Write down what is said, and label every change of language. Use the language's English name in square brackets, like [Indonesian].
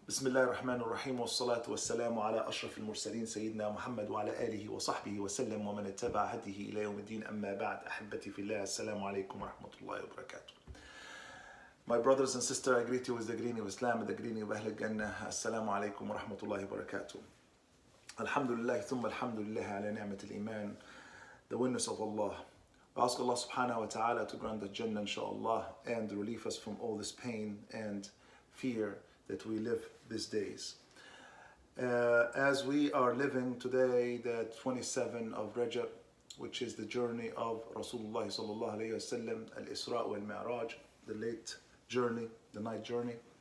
[Arabic] بسم الله الرحمن الرحيم والصلاة والسلام على أشرف المرسلين سيدنا محمد وعلى آله وصحبه وسلم ومن اتبع هديه إلى يوم الدين أما بعد أحبتي في الله السلام عليكم ورحمة الله وبركاته. [English] My brothers and sisters, I greet you with the greeting of Islam, the greeting of [Arabic] أهل الجنة. السلام عليكم ورحمة الله وبركاته. الحمد لله ثم الحمد لله على نعمة الإيمان. [English] The witness of Allah. I ask Allah subhanahu wa ta'ala to grant us Jannah inshaAllah and relieve us from all this pain and fear that we live these days. As we are living today the 27 of Rajab, which is the journey of Rasulullah sallallahu alayhi wa sallam, al-Isra wal Miraj, the late journey, the night journey.